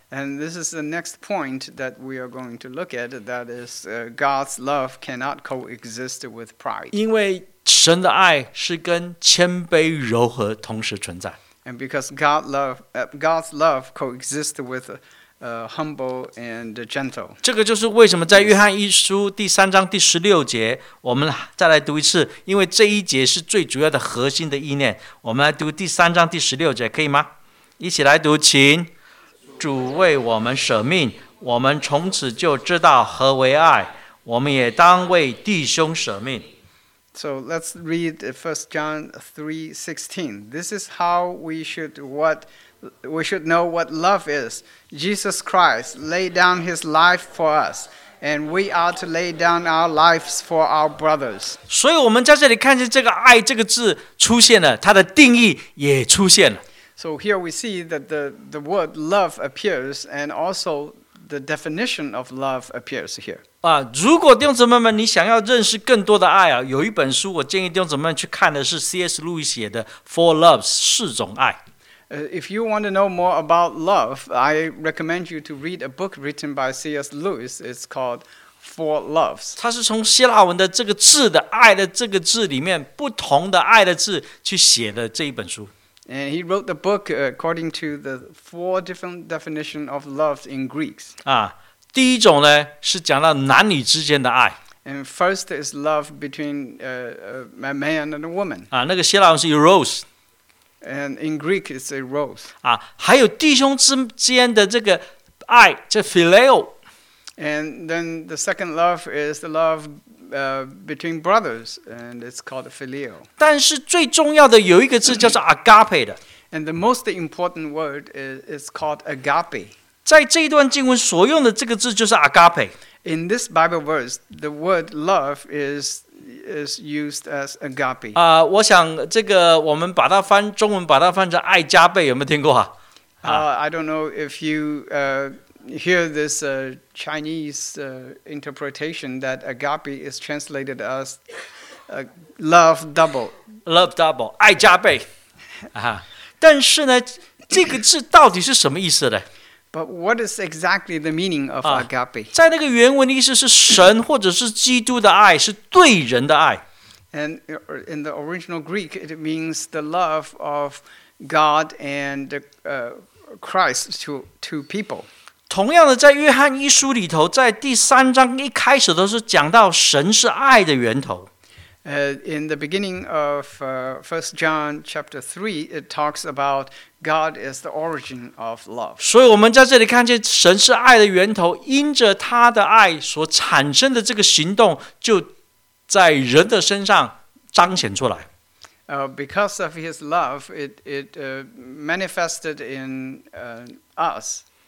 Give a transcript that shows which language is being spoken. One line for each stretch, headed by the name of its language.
English: And this is the next point that we are going to look at, that is God's love cannot coexist with pride.
Chinese: 因为神的爱是跟谦卑柔和同时存在。
English: And because God's love coexists with humble and gentle.
Chinese: 这个就是为什么在约翰一书第三章第十六节，我们再来读一次，因为这一节是最主要的核心的意念。我们来读第三章第十六节，可以吗？一起来读，请。主为我们舍命，我们从此就知道何为爱，我们也当为弟兄舍命。
English: So let's read 1 John 3:16. This is how we should know what love is. Jesus Christ laid down his life for us, and we are to lay down our lives for our brothers.
Chinese: 所以我们在这里看见这个爱这个字出现了，它的定义也出现了。
English: So here we see that the word love appears, and also the definition of love appears here.
Chinese: 啊，如果弟兄姊妹们你想要认识更多的爱啊，有一本书我建议弟兄姊妹们去看的是 C.S. Lewis 写的 Four Loves 四种爱。
English: If you want to know more about love, I recommend you to read a book written by C.S. Lewis. It's called Four Loves.
Chinese: 它是从希腊文的这个字的爱的这个字里面不同的爱的字去写的这一本书。
English: And he wrote the book according to the four different definitions of love in Greek.
Chinese: 啊，第一种呢是讲到男女之间的爱。
English: And first is love between a man and a woman.
Chinese: 啊，那个希腊文是 eros。
English: And in Greek, it's a rose.
Chinese: 啊，还有弟兄之间的这个爱，这 phileo.
English: And then the second love is the love between brothers, and it's called phileo.
Chinese: 但是最重要的有一个字叫做 agape 的。
English: And the most important word is called agape.
Chinese: 在这一段经文所用的这个字就是 agape.
English: In this Bible verse, the word love is used as agape.
Chinese: 啊，我想这个我们把它翻中文，把它翻成爱加倍，有没有听过啊？
English: I don't know if you hear this Chinese interpretation that agape is translated as love double. Love double,
Chinese: 爱加倍。啊，但是呢，这个字到底是什么意思呢？
English: But what is exactly the meaning of agape?
Chinese: 在那个原文的意思是神或者是基督的爱，是对人的爱。
English: And in the original Greek, it means the love of God and Christ to people.
Chinese: 同样的，在约翰一书里头，在第三章一开始都是讲到神是爱的源头。
English: In the beginning of 1 John chapter 3, it talks about God is the origin of love.
Chinese: 所以我们在这里看见神是爱的源头，因着他的爱所产生的这个行动就在人的身上彰显出来。
English: Because of his love, it manifested in us.